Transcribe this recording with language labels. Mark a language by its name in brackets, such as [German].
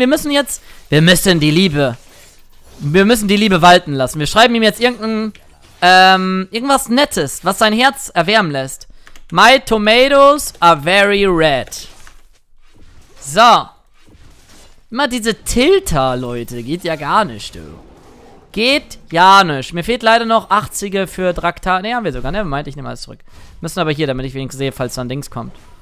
[German] Wir müssen jetzt, wir müssen die Liebe walten lassen. Wir schreiben ihm jetzt irgendein, irgendwas Nettes, was sein Herz erwärmen lässt. [English] My tomatoes are very red. [German] So. Immer diese Tilter, Leute, geht ja gar nicht, du. Geht ja nicht. Mir fehlt leider noch 80er für Draktar. Ne, haben wir sogar. Ne, meinte ich, nehme alles zurück. Müssen aber hier, damit ich wenigstens sehe, falls dann Dings kommt.